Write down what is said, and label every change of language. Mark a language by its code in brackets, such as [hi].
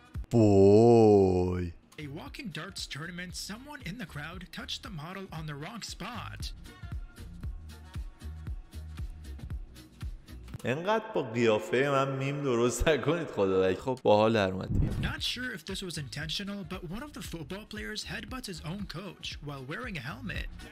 [fa] بوی [en] A walking darts tournament, someone in the crowd touched the model on the wrong spot. [fa] انقدر با قیافه من میم درست نکنید خدا وکیلی. خب باحال در اومدید. [en] Not sure if this was intentional, but one of the football players headbutts his own coach while wearing a helmet.